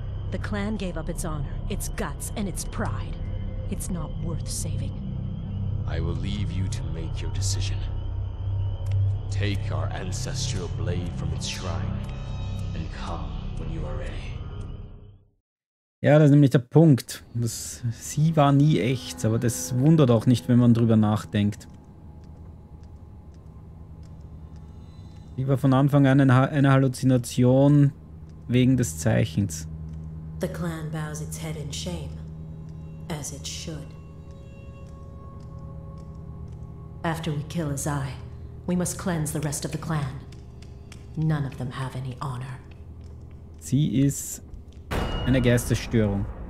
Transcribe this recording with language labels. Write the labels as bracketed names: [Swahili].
[English] The clan gave up its honor, its guts, and its pride. It's not worth saving. I will leave you to make your decision. Take our ancestral blade from its shrine, and come when you are ready. [German] Ja, das ist nämlich der Punkt. Sie war nie echt, aber das wundert auch nicht, wenn man drüber nachdenkt. Sie war von Anfang an eine Halluzination wegen des Zeichens. [English] The clan bows its head in shame, as it should. After we kill Azai, we must cleanse the rest of the clan. None of them have any honor. [German] Sie ist eine Geistesstörung.